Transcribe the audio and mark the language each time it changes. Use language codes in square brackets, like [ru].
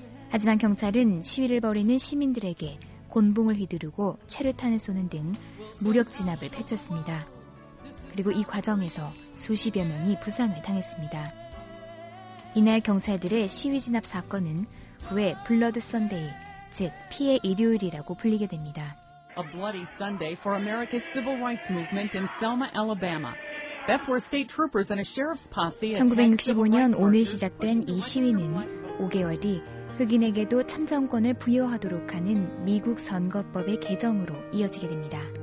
[ko] 하지만 경찰은 시위를 벌이는 시민들에게 곤봉을 휘두르고 최루탄을 쏘는 등 무력 진압을 펼쳤습니다. 그리고 이 과정에서 수십여 명이 부상을 당했습니다. 이날 경찰들의 시위 진압 사건은 후에 블러드 선데이, 즉 피의 일요일이라고 불리게 됩니다. [en] A bloody Sunday for America's civil rights movement in Selma, Alabama. That's where state troopers and a sheriff's posse. [ko] 1965년 오늘 시작된 이 시위는 5개월 뒤 흑인에게도 참정권을 부여하도록 하는 미국 선거법의 개정으로 이어지게 됩니다.